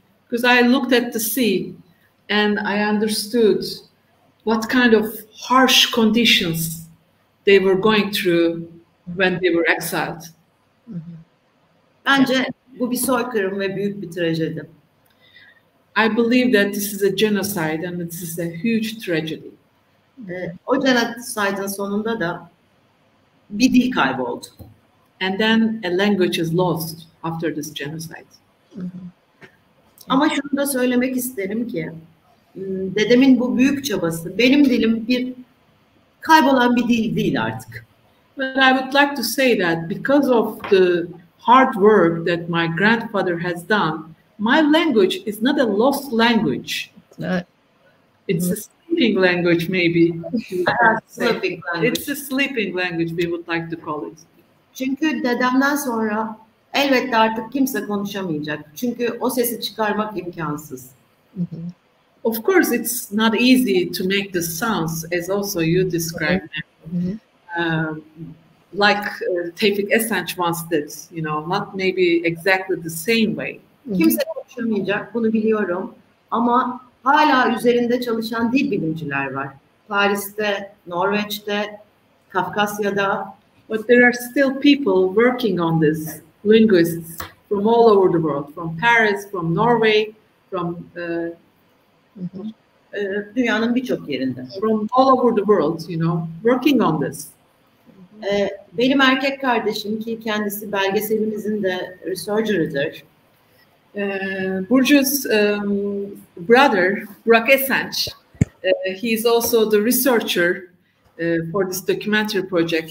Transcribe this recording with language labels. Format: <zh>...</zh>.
<en>Because I looked at the sea and I understood what kind of harsh conditions they were going through when they were exiled.</en> <tr>Bence bu bir soykırım ve büyük bir trajedi.</tr> <en>I believe that this is a genocide and this is a huge tragedy.</en> <tr>O genocide'ın sonunda da bir dil kayboldu.</tr> <en>And then a language is lost after this genocide.</en> <tr>Ama şunu da söylemek isterim ki, dedemin bu büyük çabası, benim dilim bir kaybolan bir dil değil artık.</tr> <en>But I would like to say that because of the hard work that my grandfather has done, my language is not a lost language. It's a sleeping language, maybe. Sleeping language. It's a sleeping language, we would like to call it.</en> <tr>Çünkü dedemden sonra elbette artık kimse konuşamayacak. Çünkü o sesi çıkarmak imkansız.</tr> <en>Of course, it's not easy to make the sounds, as also you described. Tevifik Esenç once did, you know, not maybe exactly the same way.</en> <tr>Kimse konuşamayacak, bunu biliyorum. Ama hala üzerinde çalışan dil bilimciler var. Paris'te, Norveç'te, Kafkasya'da.</tr> <en>But there are still people working on this, linguists from all over the world, from Paris, from Norway, from</en> <tr>dünyanın birçok yerinde.</tr> <en>From all over the world, you know, working on this.</en> <tr>Benim erkek kardeşim ki kendisi belgeselimizin de researcher'ıdır.</tr> <en>Burcu's brother, Burak Esenç, he is also the researcher for this documentary project.</en>